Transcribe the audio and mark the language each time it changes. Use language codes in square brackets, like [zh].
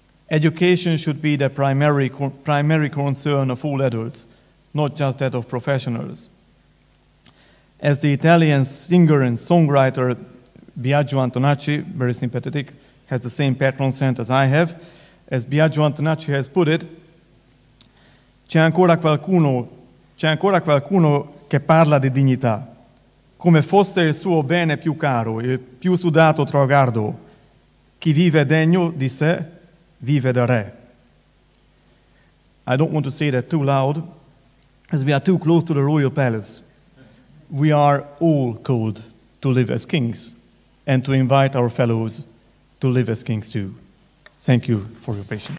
[en] Education should be the primary concern of all adults, not just that of professionals. As the Italian singer and songwriter Biagio Antonacci, very sympathetic, has the same patron saint as I have. As Biagio Antonacci has put it, [it] c'è ancora qualcuno che parla di dignità, come fosse il suo bene più caro, il più sudato traguardo. Chi vive degno di sé vivedere. [en] I don't want to say that too loud, as we are too close to the royal palace. We are all called to live as kings and to invite our fellows to live as kings too. Thank you for your patience.